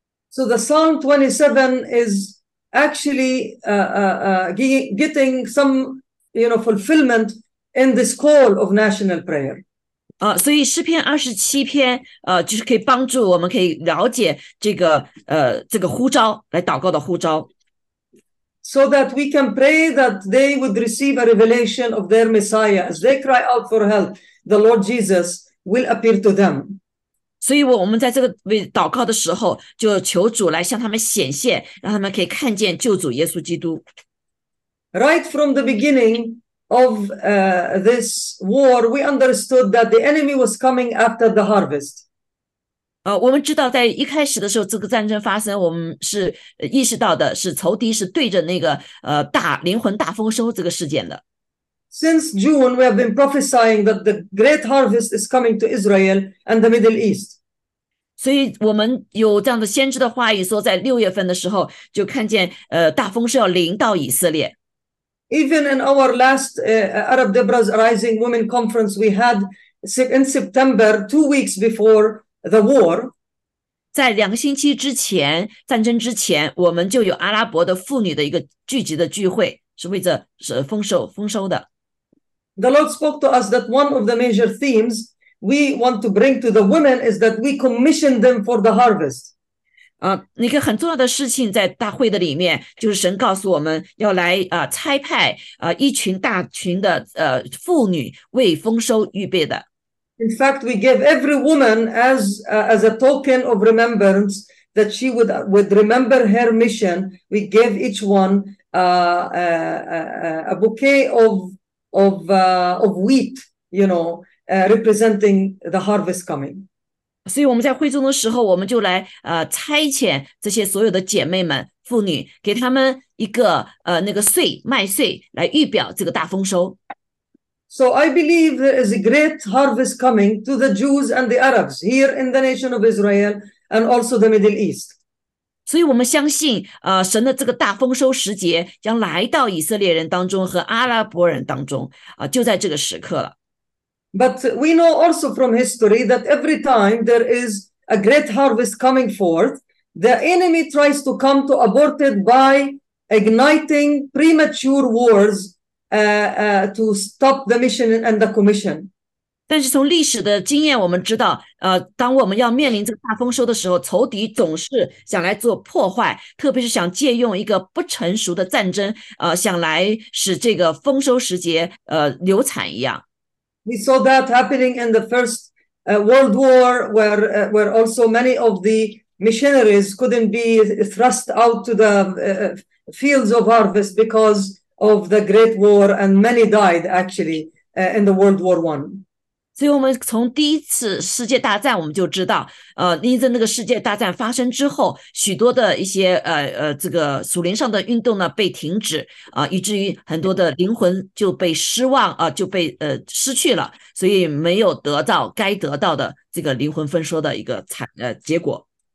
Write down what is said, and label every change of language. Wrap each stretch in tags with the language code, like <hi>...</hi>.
<en>So the Psalm 27 is actually getting some, fulfillment in this call of national prayer.</en> <zh>所以诗篇27篇，就是可以帮助我们，可以了解这个呼召，来祷告的呼召。</zh> <en>So that we can pray that they would receive a revelation of their Messiah. As they cry out for help, the Lord Jesus will appear to them.</en> <zh>所以，我们在这个为祷告的时候，就求主来向他们显现，让他们可以看见救主耶稣基督。</zh> <en>Right from the beginning of this war, we understood that the enemy was coming after the harvest.</en> <zh>我们知道，在一开始的时候，这个战争发生，我们是意识到的，是仇敌是对着那个大灵魂大丰收这个事件的。</zh> <en>Since June, we have been prophesying that the great harvest is coming to Israel and the Middle East.</en> <zh>所以我们有这样的先知的话语说，在6月份的时候就看见大丰收要临到以色列。</zh> <en>Even in our last Arab Deborah's Rising Women Conference, we had in September, 2 weeks before the war.</en> <zh>在2个星期之前，战争之前，我们就有阿拉伯的妇女的一个聚集的聚会，是为着是丰收的。</zh> <en>The Lord spoke to us that one of the major themes we want to bring to the women is that we commission them for the harvest.</en> <zh>一个很重要的事情在大会的里面，就是神告诉我们要来差派一群大群的妇女为丰收预备的。</zh> <en>In fact, we gave every woman as a token of remembrance that she would remember her mission. We gave each one a bouquet of wheat, representing the harvest coming.</en> <zh>所以我们在会众的时候，我们就来差遣这些所有的姐妹们、妇女，给她们一个那个穗麦穗来预表这个大丰收。</zh> <en>So I believe there is a great harvest coming to the Jews and the Arabs here in the nation of Israel and also the Middle East.</en> <zh>所以我们相信，神的这个大丰收时节将来到以色列人当中和阿拉伯人当中就在这个时刻了。</zh> <en>But we know also from history that every time there is a great harvest coming forth, the enemy tries to come to abort it by igniting premature wars, to stop the mission and the commission.</en> <zh>但是从历史的经验，我们知道，当我们要面临这个大丰收的时候，仇敌总是想来做破坏，特别是想借用一个不成熟的战争，想来使这个丰收时节，流产一样。</zh> <en>We saw that happening in the First World War, where also many of the missionaries couldn't be thrust out to the fields of harvest because of the Great War, and many died actually in the World War One.</en> <zh>所以，我们从第一次世界大战，我们就知道，因着那个世界大战发生之后，许多的一些这个属灵上的运动呢被停止，以至于很多的灵魂就被失望，就被失去了，所以没有得到该得到的这个灵魂丰收的一个结果。</zh>